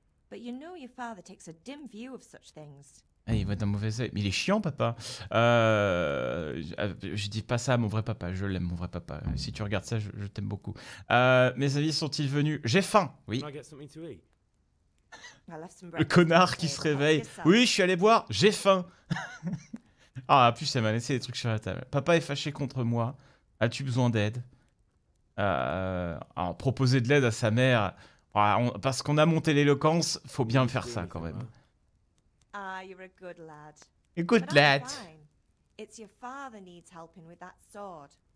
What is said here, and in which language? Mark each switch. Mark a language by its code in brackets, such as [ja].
[en] But you know your father takes a dim view of such things. [fr] Hey, il va être un mauvais oeil. Mais il est chiant, papa. Je dis pas ça à mon vrai papa. Je l'aime, mon vrai papa. Si tu regardes ça, je t'aime beaucoup. Mes amis sont-ils venus? J'ai faim. Oui. Le connard qui se réveille. Oui, je suis allé boire. J'ai faim. Ah, en plus, elle m'a laissé des trucs sur la table. Papa est fâché contre moi. As-tu besoin d'aide? Alors, proposer de l'aide à sa mère... Parce qu'on a monté l'éloquence, faut bien faire ça quand même. [en] Ah, you're a good lad. A good lad. It's your father needs helping with that sword.